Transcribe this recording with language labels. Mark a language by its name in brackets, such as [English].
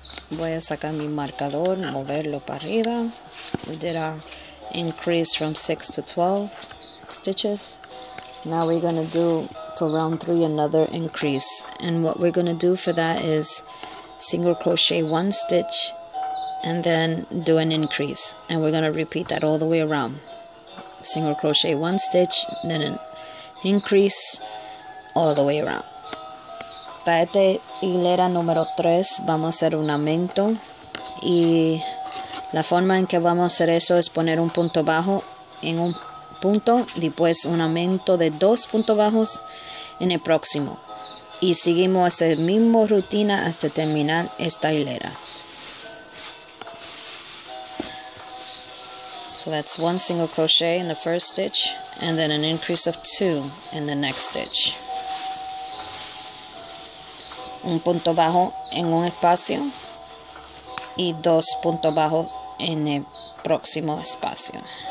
[Spanish] Voy a sacar mi marcador, moverlo para arriba. [English] We did our increase from 6 to 12 stitches. Now we're going to do for round 3 another increase. And what we're going to do for that is single crochet 1 stitch and then do an increase. And we're going to repeat that all the way around. Single crochet 1 stitch, then an increase all the way around. [Spanish] Para esta hilera número 3 vamos a hacer un aumento, y la forma en que vamos a hacer eso es poner un punto bajo en un punto, después un aumento de 2 puntos bajos en el próximo, y seguimos esa misma rutina hasta terminar esta hilera. [English] So that's 1 single crochet in the first stitch, and then an increase of 2 in the next stitch. [Spanish] Un punto bajo en un espacio y 2 puntos bajos en el próximo espacio.